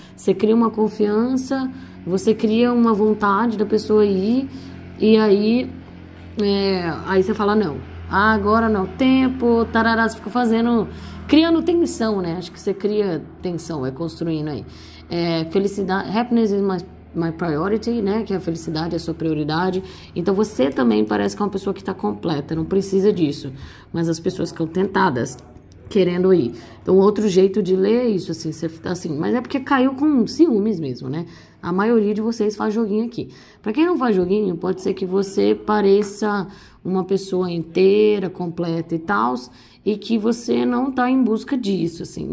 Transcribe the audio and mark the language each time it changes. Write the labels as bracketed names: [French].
[Portuguese] Você cria uma confiança, você cria uma vontade da pessoa ir, e aí, aí você fala não. Ah, agora não, tempo, tarará, você fica fazendo, criando tensão, né? Acho que você cria tensão, vai construindo aí. [English] Felicidade, happiness is my priority, né? [Portuguese] Que a felicidade é a sua prioridade. Então você também parece que é uma pessoa que está completa, não precisa disso. Mas as pessoas ficam tentadas, querendo ir. Então, outro jeito de ler isso, assim, você tá assim, mas é porque caiu com ciúmes mesmo, né? A maioria de vocês faz joguinho aqui. Para quem não faz joguinho, pode ser que você pareça uma pessoa inteira, completa e tals, e que você não tá em busca disso, assim.